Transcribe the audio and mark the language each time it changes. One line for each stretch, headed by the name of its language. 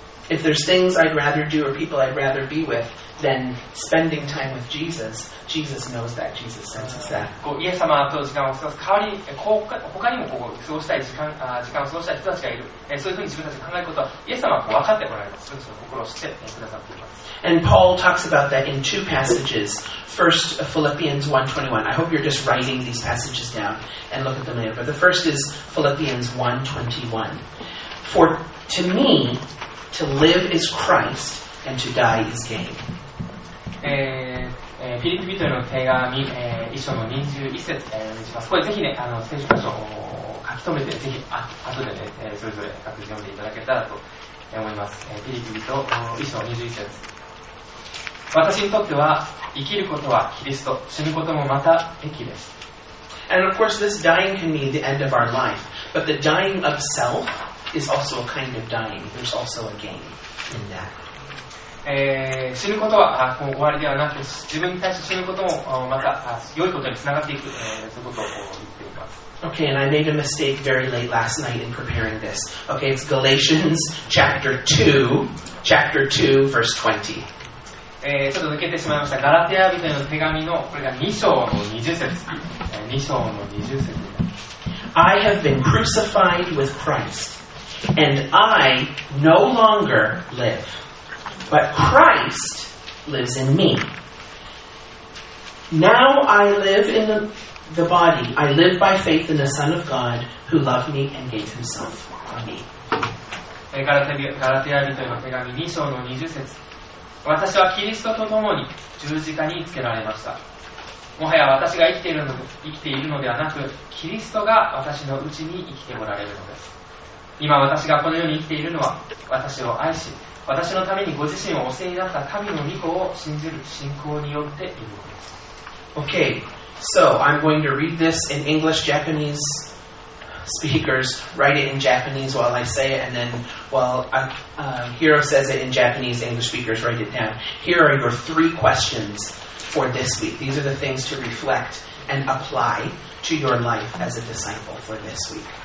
English: If there's things I'd rather do or people I'd rather be with than spending time with Jesus, Jesus knows that, Jesus senses that.
Japanese: イエス様と時間を過ごす代わりに、他にもこう過ごしたい時間を過ごしたい人たちがいる。そういうふうに自分たちが考えることは、イエス様は分かってもらえます。そういうふうに心を知ってくださっています。
English: And Paul talks about that in two passages. First, Philippians 1:21. I hope you're just writing these passages down and look at them later. But the first is Philippians 1:21. For to me, to live is Christ, and to die is gain.
Japanese: フィリピ人への手紙、1章の21節、します。これぜひね、聖書箇所を書き留めて、ぜひ後でね、それぞれ各自読んでいただけたらと思います。フィリピ人の1章21節。私にとっては生きることはキリスト、死ぬこともまた益です。
English: And of course, this dying can mean the end of our life, but the dying of self is also a kind of dying. There's also a gain in that.
Japanese: 死ぬことは終わりではなく、自分に対して死ぬこともまた良いことにつながっていく、ということを言っています。
English: Okay, and I made a mistake very late last night in preparing this. Okay, it's Galatians chapter 2, verse 20.
Japanese: ちょっと抜けてしまいました。ガラテヤ人への手紙のこれが2章の20節。 2章の20節。
English: I have been crucified with Christ, and I no longer live, but Christ lives in me. Now I live in the body, I live by faith in the Son of God, who loved me and gave himself for me.
Japanese: ガラテヤ人への手紙2章の20節。私はキリストと共に十字架につけられました。もはや私が生きているのではなく、キリストが私のうちに生きておられるのです。今私がこの世に生きているのは、私を愛し、私のためにご自身をお世話になった神の御子を信じる信仰によっているのです。
English: Okay, so I'm going to read this in English, Japanese speakers, write it in Japanese while I say it, and then while Hiro says it in Japanese, English speakers write it down. Here are your three questions for this week. These are the things to reflect and apply to your life as a disciple for this week.